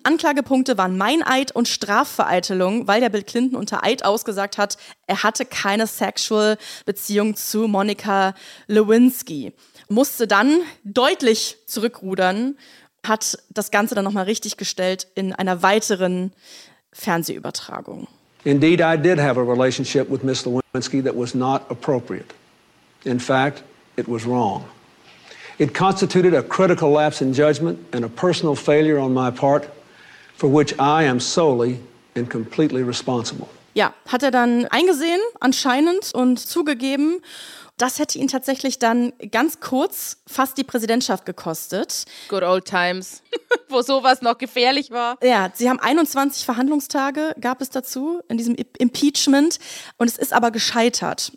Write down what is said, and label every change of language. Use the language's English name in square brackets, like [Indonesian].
[German] Anklagepunkte waren Meineid und Strafvereitelung, weil der Bill Clinton unter Eid ausgesagt hat, er hatte keine sexual Beziehung zu Monica Lewinsky. Musste dann deutlich zurückrudern, hat das Ganze dann nochmal richtig gestellt in einer weiteren Fernsehübertragung. [English] Indeed, I did have a relationship with Miss Lewinsky that was not appropriate. In fact, it was wrong. It constituted a critical lapse in judgment and a personal failure on my part, for which I am solely and completely responsible. [German] Ja, hat er dann eingesehen anscheinend und zugegeben. Das hätte ihn tatsächlich dann ganz kurz fast die Präsidentschaft gekostet. [English] Good old times, [German] wo sowas noch gefährlich war. Ja, sie haben 21 Verhandlungstage gab es dazu in diesem Impeachment und es ist aber gescheitert.